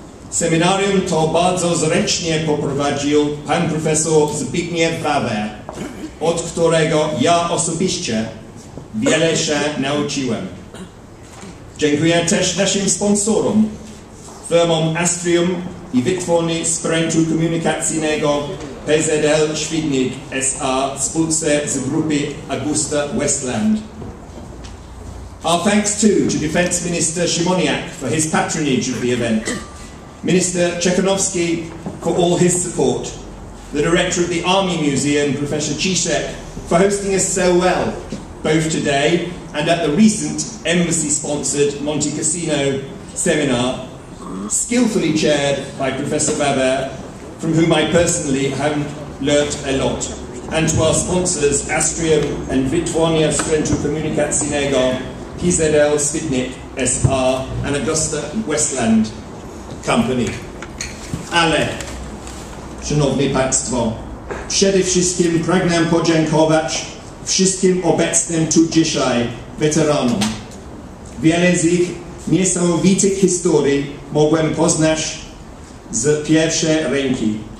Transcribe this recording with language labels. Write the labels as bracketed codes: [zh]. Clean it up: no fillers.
[pl] Seminarium to bardzo zręcznie poprowadził pan profesor Zbigniew Faber, od którego ja osobiście wiele się nauczyłem. Dziękuję też naszym sponsorom, firmom Astrium i Wytwórni Sprzętu Komunikacyjnego PZL Świdnik SA, spółce z grupy Augusta Westland. [en] Our thanks too to Defence Minister Simoniak for his patronage of the event, Minister Czekanowski for all his support, the Director of the Army Museum, Professor Ciszek, for hosting us so well, both today and at the recent embassy-sponsored Monte Cassino seminar, skillfully chaired by Professor Faber, from whom I personally have learnt a lot, and to our sponsors, Astrium and Wytwórnia Sprzętu Komunikacyjnego, PZL Świdnik SA and Augusta Westland Company. [pl] Ale, Szanowni Państwo, przede wszystkim pragnę podziękować wszystkim obecnym tu dzisiaj weteranom. Wiele z ich niesamowitych historii mogłem poznać z pierwszej ręki.